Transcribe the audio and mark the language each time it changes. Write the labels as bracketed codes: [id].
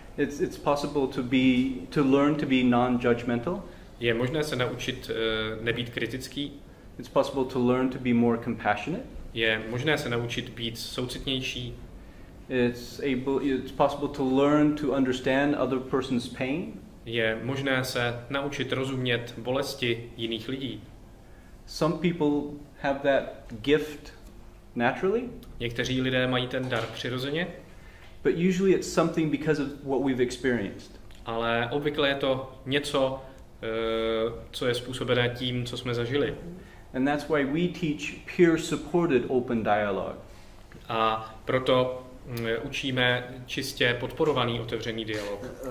[en] It's possible to learn to be non-judgmental. [cs] Je možné se naučit nebýt kritický. [en] It's possible to learn to be more compassionate. [cs] Je možné se naučit být soucitnější. [en] It's possible to learn to understand other person's pain. [cs] Je možné se naučit rozumět bolesti jiných lidí. [en] Some people have that gift naturally. [cs] Někteří lidé mají ten dar přirozeně. [en] But usually it's something because of what we've experienced. [cs] Ale obvykle je to něco, co je způsobené tím, co jsme zažili. [en] And that's why we teach peer-supported open dialogue. [cs] A proto učíme čistě podporovaný otevřený dialog.